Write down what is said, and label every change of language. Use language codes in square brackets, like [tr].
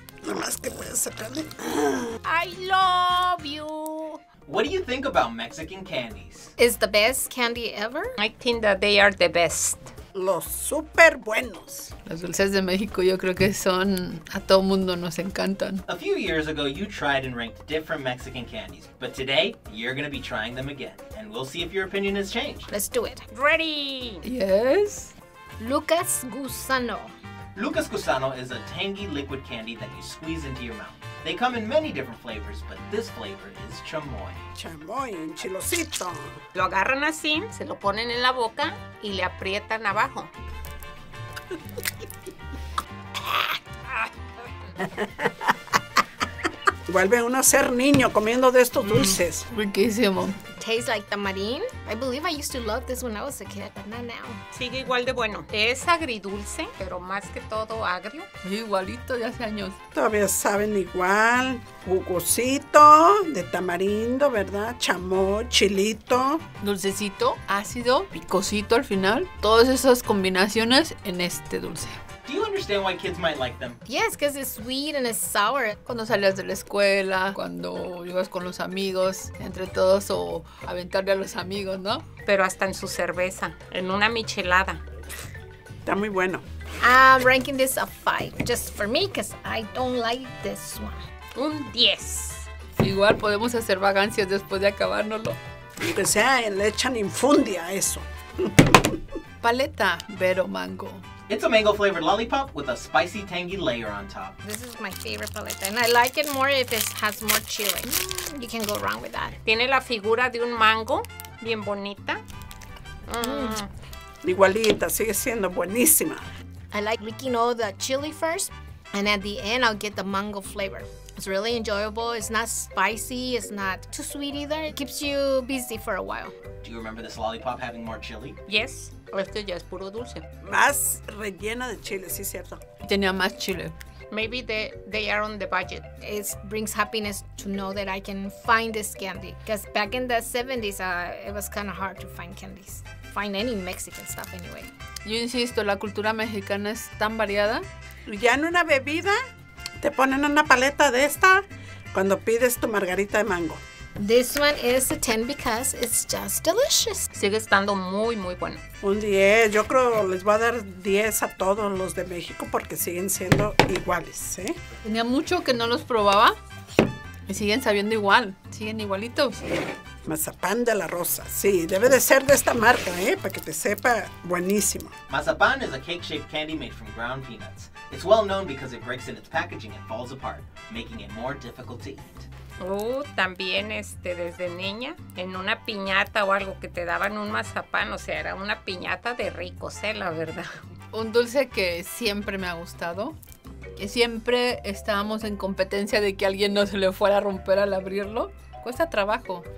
[es] Nomás que voy a sacarle. [en] I love you. What do you think about Mexican candies? Is the best candy ever? I think that they are the best. [es] Los super buenos. Los dulces de México yo creo que son, a todo mundo nos encantan. [en] A few years ago, you tried and ranked different Mexican candies, but today, you're gonna be trying them again, and we'll see if your opinion has changed. Let's do it. Ready? Yes? Lucas Gusano. Lucas Gusano is a tangy liquid candy that you squeeze into your mouth. They come in many different flavors, but this flavor is chamoy. [es] Chamoy en chilosito. Lo agarran así, se lo ponen en la boca y le aprietan abajo. Vuelve uno a ser niño comiendo de estos dulces. Riquísimo. [en] Tastes like tamarind. I believe I used to love this when I was a kid, but not now. [es] Sigue igual de bueno. Es agridulce, pero más que todo agrio. Y igualito de hace años. Todavía saben igual. Jugosito de tamarindo, ¿verdad? Chamó, chilito. Dulcecito, ácido, picosito al final. Todas esas combinaciones en este dulce. [en] Do you understand why kids might like them? Yes, because it's sweet and it's sour. [es] Cuando salías de la escuela, cuando ibas con los amigos, entre todos, o aventarle a los amigos, ¿no? Pero hasta en su cerveza, en una michelada. Está muy bueno. [en] I'm ranking this a 5, just for me, because I don't like this one. [es] Un 10. Igual podemos hacer vagancias después de acabárnoslo. Que sea, le echan infundia eso. Paleta, vero mango. [en] It's a mango-flavored lollipop with a spicy, tangy layer on top. This is my favorite paleta, and I like it more if it has more chili. You can go wrong with that. Tiene la figura de un mango, bien bonita. Igualita, sigue siendo buenísima. I like licking all the chili first, and at the end, I'll get the mango flavor. It's really enjoyable. It's not spicy. It's not too sweet either. It keeps you busy for a while. Do you remember this lollipop having more chili? Yes. [es] Este ya es puro dulce. Más rellena de chile, sí, cierto. Tenía más chile. [en] Maybe they are on the budget. It brings happiness to know that I can find this candy. Because back in the 70s, it was kind of hard to find candies. Find any Mexican stuff anyway. [es] Yo insisto, la cultura mexicana es tan variada. Ya en una bebida, te ponen una paleta de esta cuando pides tu margarita de mango. [en] This one is a 10 because it's just delicious. [es] Sigue estando muy, muy bueno. Un 10. Yo creo les voy a dar 10 a todos los de México porque siguen siendo iguales, ¿eh? Tenía mucho que no los probaba y siguen sabiendo igual. Siguen igualitos. Mazapán de la Rosa. Sí, debe de ser de esta marca, para que te sepa buenísimo. [en] Mazapán is a cake-shaped candy made from ground peanuts. It's well known because it breaks in its packaging and falls apart, making it more difficult to eat. [es] También desde niña, en una piñata o algo que te daban un mazapán, o sea, era una piñata de ricos, la verdad. Un dulce que siempre me ha gustado, que siempre estábamos en competencia de que alguien no se le fuera a romper al abrirlo. Cuesta trabajo.